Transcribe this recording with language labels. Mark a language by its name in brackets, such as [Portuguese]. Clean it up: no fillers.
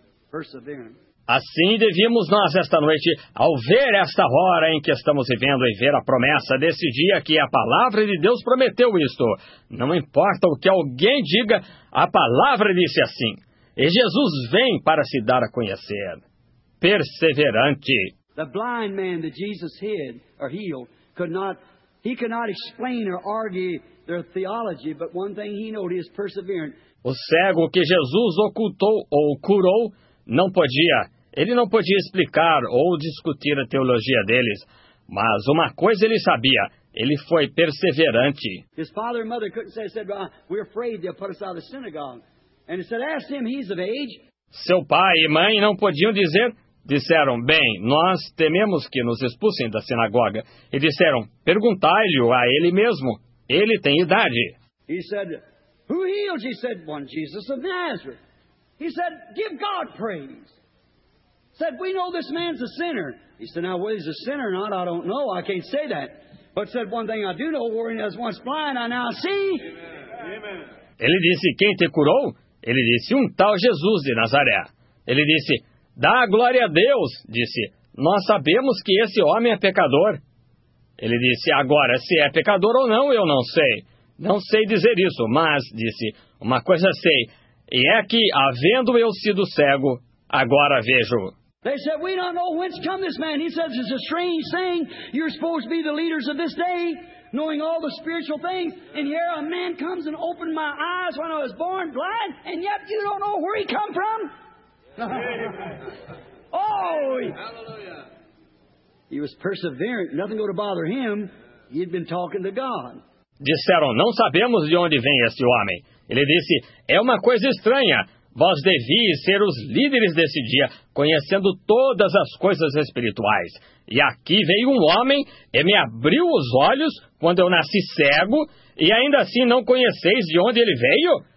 [English] Perseverance. [Portuguese] Assim devíamos nós esta noite, ao ver esta hora em que estamos vivendo e ver a promessa desse dia que a palavra de Deus prometeu isto. Não importa o que alguém diga, a palavra disse assim. E Jesus vem para se dar a conhecer. Perseverante. [English] The blind man that Jesus hid or healed could not explain or argue their theology, but one thing he knew, he is perseverant. [Portuguese] O cego que Jesus ocultou ou curou Ele não podia explicar ou discutir a teologia deles, mas uma coisa ele sabia, ele foi perseverante. [English] His father and mother couldn't say, said, we're afraid they'll put us out of the synagogue. And he said, ask him, he's of age. [Portuguese] Seu pai e mãe não podiam dizer, disseram, bem, nós tememos que nos expulsem da sinagoga. E disseram, perguntai-lhe a ele mesmo, ele tem idade. [English] He said, who healed? He said, one Jesus of Nazareth. He said, give God praise. Said, we know this man's a sinner. He said, now whether he's a sinner or not, I don't know. I can't say that. But said, one thing I do know, where he was once blind, I now see. Amen. [Portuguese] Ele disse, quem te curou? Ele disse, tal Jesus de Nazaré. Ele disse, dá glória a Deus. Disse, nós sabemos que esse homem é pecador. Ele disse, agora, se é pecador ou não, eu não sei. Não sei dizer isso, mas, disse, uma coisa sei. E é que, havendo eu sido cego, agora vejo. [English] They said, we don't know whence come this man. He says, it's a strange thing. You're supposed to be the leaders of this day, knowing all the spiritual things. And here a man comes and opened my eyes when I was born blind, and yet you don't know where he come from? Oh! He was perseverant. Nothing going to bother him. He had been talking to God. [Portuguese] Disseram, não sabemos de onde vem esse homem. Ele disse, é uma coisa estranha. Vós devíeis ser os líderes desse dia, conhecendo todas as coisas espirituais. E aqui veio um homem e me abriu os olhos quando eu nasci cego, e ainda assim não conheceis de onde ele veio?